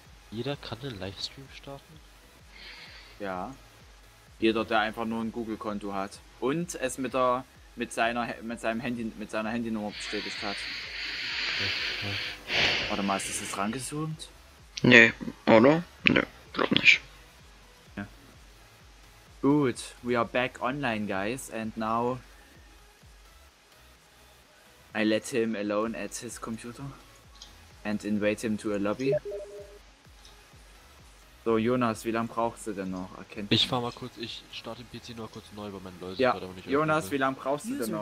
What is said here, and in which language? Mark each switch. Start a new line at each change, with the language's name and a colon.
German: Jeder kann einen Livestream starten? Ja, jeder, der einfach nur ein Google-Konto hat und es mit der mit seiner Handynummer bestätigt hat. Warte mal, ist das jetzt rangezoomt? Nee, oder? Nee, glaub nicht. Ja.
English: Gut, we are back online, guys, and now I let him alone at his computer and invite him to a lobby.
German: So, Jonas, wie lange brauchst du denn noch? Erkennt ich fahr mal kurz, ich starte den PC nur kurz neu, weil mein Läuse ja. gerade nicht. Jonas, wie lange brauchst du denn noch?